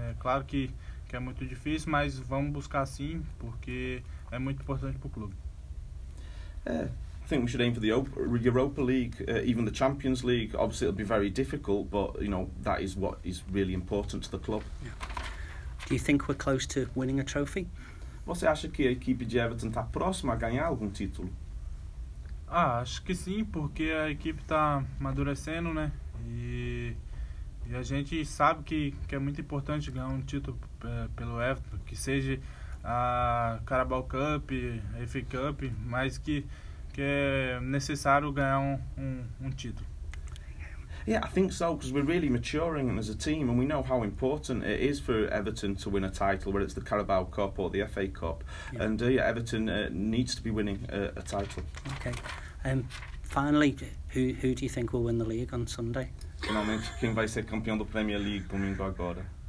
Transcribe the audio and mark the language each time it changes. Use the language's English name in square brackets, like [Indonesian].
[Portuguese] Claro que é muito difícil, mas vamos buscar sim, porque é muito importante para o clube. [English] I think we should aim for the Europa League, even the Champions League. Obviously, it'll be very difficult, but you know that is what is really important to the club. Yeah. Do you think we're close to winning a trophy? [Portuguese] Você acha que a equipe de Everton está próxima a ganhar algum título? Ah, acho que sim, porque a equipe está amadurecendo, né? E a gente sabe que é muito importante ganhar um título pelo Everton, que seja a Carabao Cup, a FA Cup, mas que é necessário ganhar um título. [English] Yeah, I think so, because we're really maturing as a team, and we know how important it is for Everton to win a title, whether it's the Carabao Cup or the FA Cup. Yeah. And Everton needs to be winning a title. Okay. Finally, who do you think will win the league on Sunday? [Portuguese] Finalmente, quem vai ser campeão do Premier League domingo agora?